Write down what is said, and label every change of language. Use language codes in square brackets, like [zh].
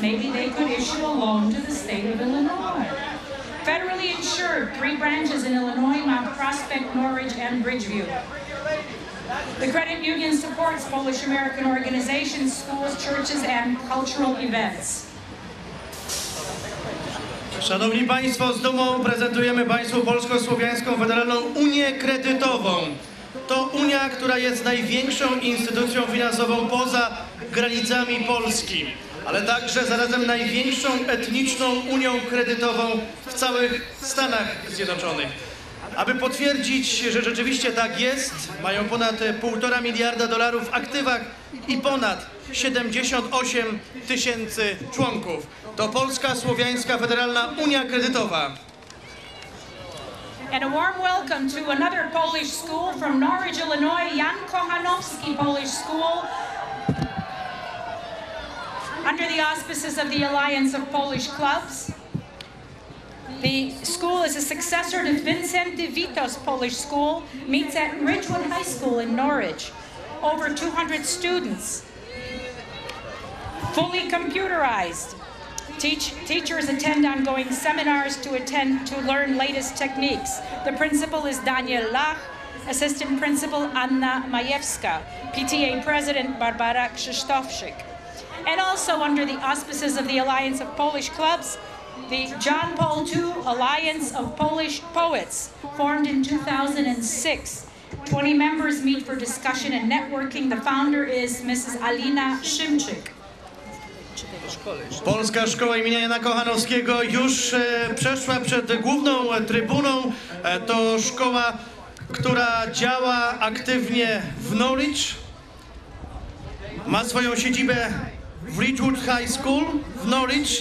[en] Maybe they could issue a loan to the state of Illinois. Federally insured, 3 branches in Illinois, Mount Prospect, Norridge, and Bridgeview. The credit union supports Polish American organizations, schools, churches, and cultural events. [pl] Szanowni Państwo, z dumą prezentujemy Państwu Polsko-Słowiańską Federalną Unię Kredytową. To Unia, która jest największą instytucją finansową poza granicami Polski, ale także zarazem największą etniczną unią kredytową w całych Stanach Zjednoczonych. Aby potwierdzić, że rzeczywiście tak jest, mają ponad 1,5 miliarda dolarów w aktywach i ponad 78 tysięcy członków. To Polska Słowiańska Federalna Unia Kredytowa. [en] And a warm welcome to another Polish school from Norridge, Illinois, Jan Kochanowski Polish School, under the auspices of the Alliance of Polish Clubs. The school is a successor to Vincenty Witos Polish School, meets at Ridgewood High School in Norridge. Over 200 students, fully computerized. Teachers attend ongoing seminars to learn latest techniques. The principal is Daniel Lach, assistant principal Anna Majewska, PTA president Barbara Krzysztofczyk. And also under the auspices of the Alliance of Polish Clubs, the John Paul II Alliance of Polish Poets, formed in 2006. 20 members meet for discussion and networking. The founder is Mrs. Alina Szymczyk. [pl] Polska Szkoła imienia Jana Kochanowskiego już przeszła przed główną trybuną. To szkoła, która działa aktywnie w Norwich. Ma swoją siedzibę w Ridgewood High School w Norwich.